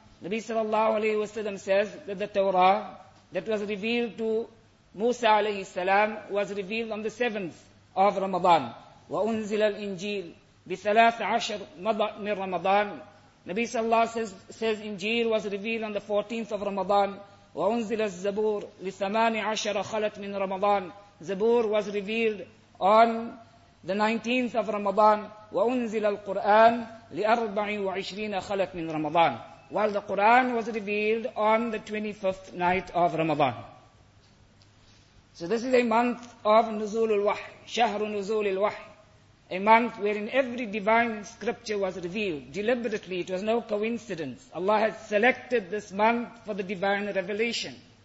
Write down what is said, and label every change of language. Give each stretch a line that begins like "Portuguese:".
English: Nabi sallallahu alayhi wa sallam says that the Torah that was revealed to Musa alayhi salam was revealed on the seventh of Ramadan.
Arabic: وَأُنزِلَ الْإِنْجِيلِ بِثَلَاثَ عَشَرْ مَضَتْ مِنْ رَمَضَانِ.
English: Nabi sallallahu alayhi wa sallam says Injil was revealed on the 14th of Ramadan.
Arabic: وأنزل الزبور لثمان عشر خلت من رمضان.
English: Zabur was revealed on the 19th of Ramadan.
Arabic: وأنزل القرآن لأربع وعشرين خلت من رمضان.
English: While the Quran was revealed on the 25th night of Ramadan. So this is a month of
Arabic: نزول الوحي, شهر نزول الوحي,
English: a month wherein every divine scripture was revealed deliberately. It was no coincidence. Allah had selected this month for the divine revelation.